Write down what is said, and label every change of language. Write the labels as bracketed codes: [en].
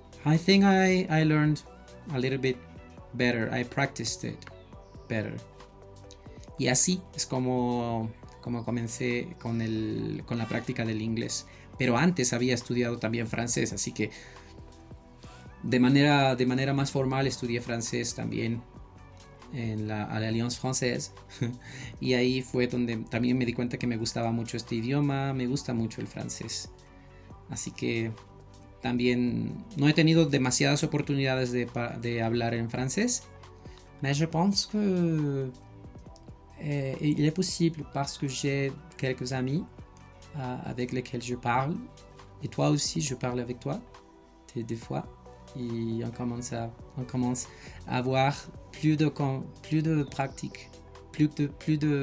[en] I think I learned a little bit better. I practiced it better. [es] Y así es como comencé con la práctica del inglés. Pero antes había estudiado también francés, así que de manera más formal estudié francés también en la Alliance Française. Y ahí fue donde también me di cuenta que me gustaba mucho este idioma, me gusta mucho el francés. Así que también no he tenido demasiadas oportunidades de hablar en francés, [fr] mais je pense que il est possible parce que j'ai quelques amis avec lesquels je parle, et toi aussi je parle avec toi des fois, et on commence à avoir plus de pratique, plus